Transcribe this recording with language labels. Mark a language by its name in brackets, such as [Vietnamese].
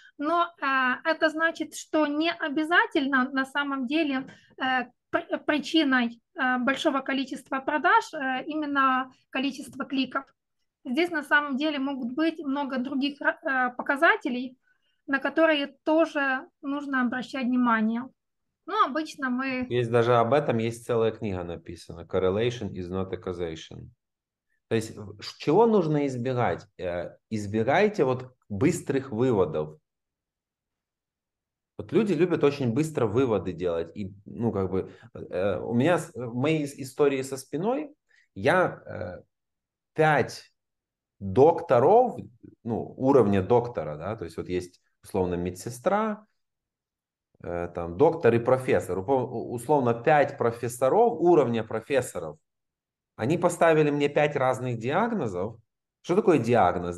[Russian] Но это значит, что не обязательно на самом деле причиной большого количества продаж именно количество кликов. Здесь на самом деле могут быть много других показателей, на которые тоже нужно обращать внимание. Но обычно мы... Есть даже об этом, есть целая книга написана. [English] Correlation is not a causation. [Russian] То есть, чего нужно избегать? Избегайте вот быстрых выводов. Вот люди любят очень быстро выводы делать. И, ну, как бы, у меня в моей истории со спиной я 5 докторов, ну, уровня доктора, да, то есть вот есть условно медсестра, там доктор и профессор, условно 5 профессоров, уровня профессоров, они поставили мне 5 разных диагнозов. Что такое диагноз?